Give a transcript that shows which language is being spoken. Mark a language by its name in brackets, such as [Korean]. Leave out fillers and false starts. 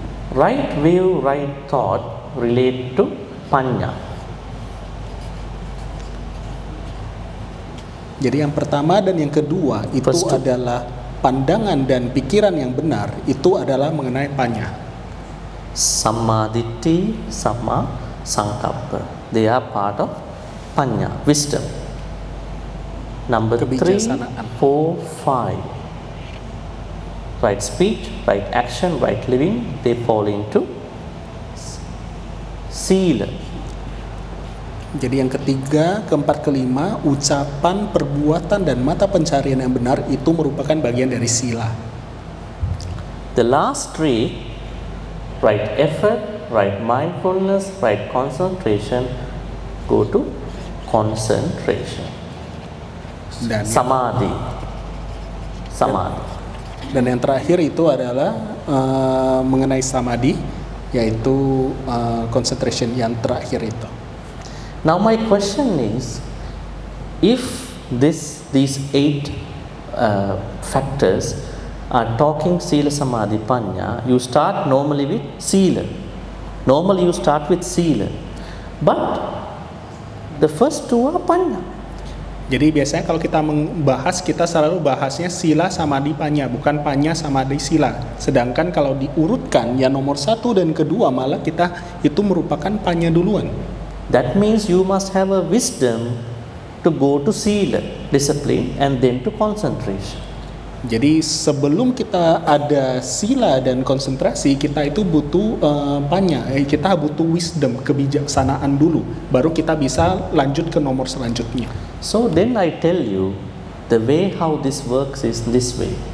[English] Right view, right thought relate to panya. [Indonesian] Jadi yang pertama dan yang kedua itu adalah pandangan dan pikiran yang benar itu adalah mengenai panya. [Pali] Samaditi sama sangkapa, [English] they are part of panya, wisdom. Number 3, 4, 5, right speech, right action, right living, they fall into sila. [Indonesian] Jadi yang ketiga, keempat, kelima, ucapan, perbuatan, dan mata pencarian yang benar itu merupakan bagian dari sila. [English] The last three, right effort, right mindfulness, right concentration, go to concentration. [Indonesian] Dan [Pali] samadhi. Samadhi. [Indonesian] Dan yang terakhir itu adalah mengenai samadhi, yaitu concentration yang terakhir itu. [English] Now my question is, if these eight factors are talking sila, samadhi, panya, you start normally with sila. Normally you start with sila, but the first two are panya. [Indonesian] Jadi biasanya kalau kita membahas, kita selalu bahasnya sila, samadhi, panya, bukan panya, samadhi, sila. Sedangkan kalau diurutkan, ya nomor satu dan kedua malah kita itu merupakan panya duluan. [English] That means you must have a wisdom to go to sila, discipline, and then to concentration. [Indonesian] Jadi sebelum kita ada sila dan konsentrasi, kita itu butuh panya, kita butuh wisdom, kebijaksanaan dulu, baru kita bisa lanjut ke nomor selanjutnya. [English] So then I tell you, the way how this works is this way.